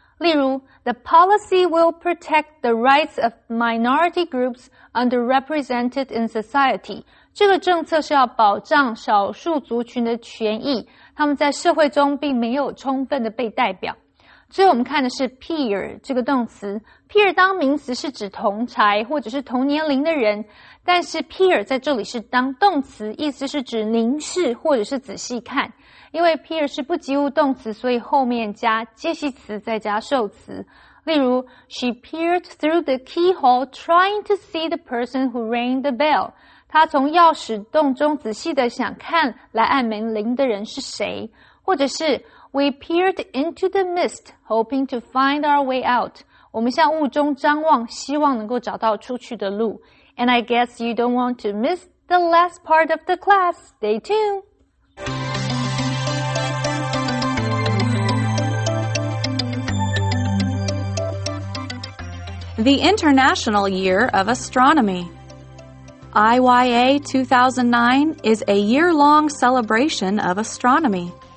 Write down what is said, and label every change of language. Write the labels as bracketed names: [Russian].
[Chinese] 例如 [English] ,the policy will protect the rights of minority groups underrepresented in society. [Chinese] 这个政策是要保障少数族群的权益，他们在社会中并没有充分的被代表。最后我们看的是 peer 这个动词。peer 当名词是指同侪或者是同年龄的人，但是 peer 在这里是当动词，意思是指凝视或者是仔细看。因为 peer 是不及物动词，所以后面加介系词再加受词。例如 [English] ,she peered through the keyhole trying to see the person who rang the bell. [Chinese] 她从钥匙洞中仔细地想看来按门铃的人是谁。或者是 [English] ,we peered into the mist hoping to find our way out. [Chinese] 我们向雾中张望，希望能够找到出去的路。 [English] And I guess you don't want to miss the last part of the class. Stay tuned! The International Year of Astronomy. IYA 2009 is a year-long celebration of astronomy.